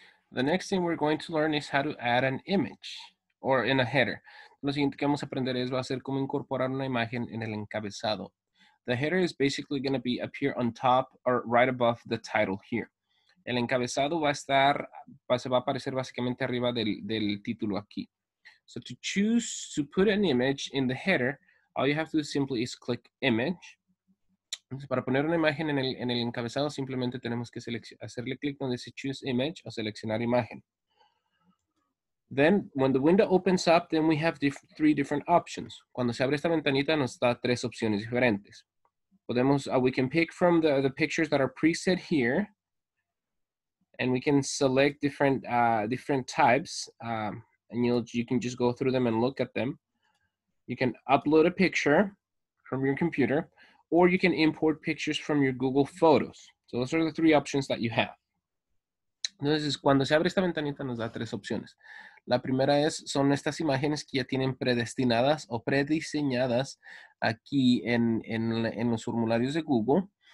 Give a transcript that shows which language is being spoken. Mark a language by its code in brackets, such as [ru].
[en] The next thing we're going to learn is how to add an image or in a header. [es] Lo siguiente que vamos a aprender es va a ser cómo incorporar una imagen en el encabezado. [en] The header is basically going to be appear on top or right above the title here. [es] El encabezado va a estar, se va a aparecer básicamente arriba del título aquí. [en] So to choose to put an image in the header, all you have to do simply is click image. [es] Entonces, para poner una imagen en el encabezado, simplemente tenemos que hacerle clic donde dice [en] choose image [es] o seleccionar imagen. [en] Then, when the window opens up, then we have three different options. [es] Cuando se abre esta ventanita, nos da tres opciones diferentes. Podemos, [en] we can pick from the pictures that are preset here, and we can select different types, and you can just go through them and look at them. You can upload a picture from your computer, or you can import pictures from your Google Photos. So those are the three options that you have. [es] Entonces, cuando se abre esta ventanita, nos da tres opciones. La primera es, son estas imágenes que ya tienen predestinadas o prediseñadas aquí en los formularios de Google.